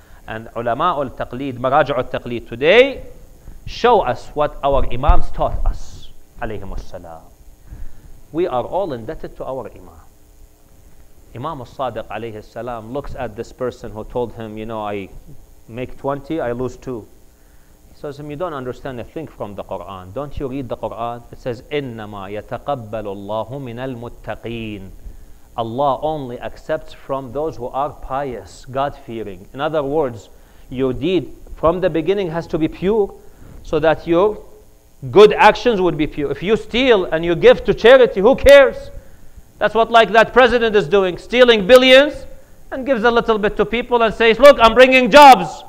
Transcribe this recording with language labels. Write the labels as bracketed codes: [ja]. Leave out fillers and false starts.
[en] And ulama'u al-taqleed, maraja'u al-taqleed today show us what our imams taught us, alayhim as-salam. We are all indebted to our imam. Imam al-Sadiq, alayhi as-salam, looks at this person who told him, you know, I make 20, I lose 2. So you don't understand a thing from the Quran. Don't you read the Quran? It says, [ar] إِنَّمَا يَتَقَبَّلُ اللَّهُ مِنَ الْمُتَّقِينَ. [en] Allah only accepts from those who are pious, God-fearing. In other words, your deed from the beginning has to be pure so that your good actions would be pure. If you steal and you give to charity, who cares? That's what like that president is doing, stealing billions and gives a little bit to people and says, look, I'm bringing jobs.